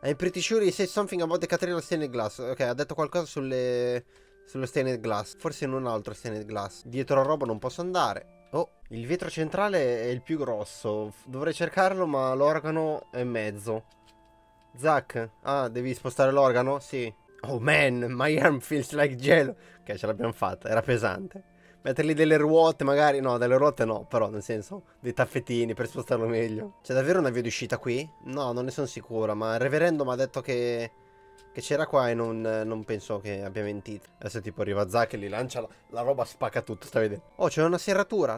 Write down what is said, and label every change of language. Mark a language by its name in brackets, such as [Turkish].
[English] I'm pretty sure he said something about the Catarina stained glass. [Italian] Ok, ha detto qualcosa sullo stained glass. Forse in un altro stained glass. Dietro a roba non posso andare. Oh, il vetro centrale è il più grosso. Dovrei cercarlo, ma l'organo è in mezzo. Zack, ah, devi spostare l'organo? Sì. [English] Oh man, my arm feels like gel. [Italian] Ok, ce l'abbiamo fatta, era pesante. Mettergli delle ruote, magari. No, delle ruote no, però, nel senso, dei taffettini per spostarlo meglio. C'è davvero una via d'uscita qui? No, non ne sono sicura, ma il reverendo mi ha detto che c'era qua e non penso che abbia mentito. Adesso tipo arriva Zack e gli lancia la roba, spacca tutto, stai vedendo. Oh, c'è una serratura?